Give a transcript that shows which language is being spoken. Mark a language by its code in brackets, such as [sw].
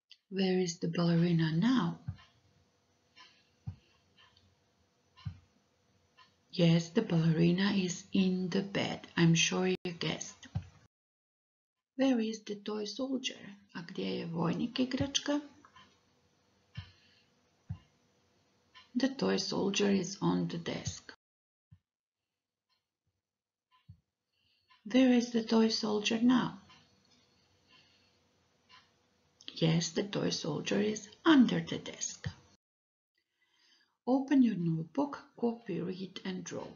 [en] Where is the ballerina now? Yes, the ballerina is in the bed. I'm sure you guessed. Where is the toy soldier? [hr] A gdje je vojnik igračka? [en] The toy soldier is on the desk. Where is the toy soldier now? Yes, the toy soldier is under the desk. Open your notebook, copy, read and draw.